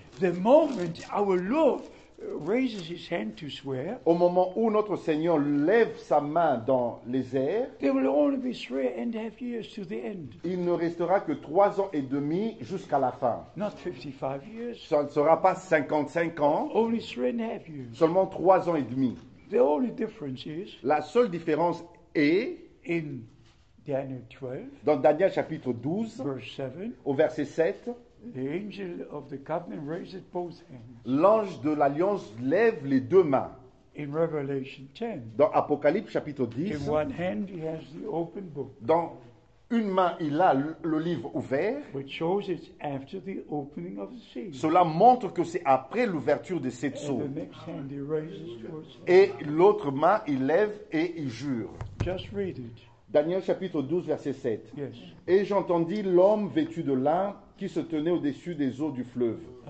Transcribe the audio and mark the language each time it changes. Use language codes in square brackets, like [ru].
[en] The moment our Lord raises his hand to swear. [fr] Au moment où notre Seigneur lève sa main dans les airs. [en] There will only be 3.5 years to the end. [fr] Il ne restera que 3 ans et demi jusqu'à la fin. [en] Not 55 years. [fr] Ça ne sera pas 55 ans. [en] Only 3.5 years. [fr] Seulement 3 ans et demi. [en] The only difference is. [fr] La seule différence est. [en] In Daniel 12. [fr] Dans Daniel chapitre 12. [en] Verse 7. [fr] Au verset 7. [en] The angel of the covenant raises both hands. [fr] L'ange de l'alliance lève les deux mains. [en] In Revelation 10. [fr] Dans Apocalypse chapitre 10. [en] In one hand he has the open book. [fr] Dans une main il a le livre ouvert. [en] Which shows it's after the opening of the seal. [fr] Cela montre que c'est après l'ouverture des sept sceaux. [en] And the next hand he raises towards heaven. [fr] Et l'autre main il lève et il jure. [en] Just read it. [fr] Daniel chapitre 12 verset 7. [en] Yes. [fr] Et j'entendis l'homme vêtu de lin qui se tenait au-dessus des eaux du fleuve.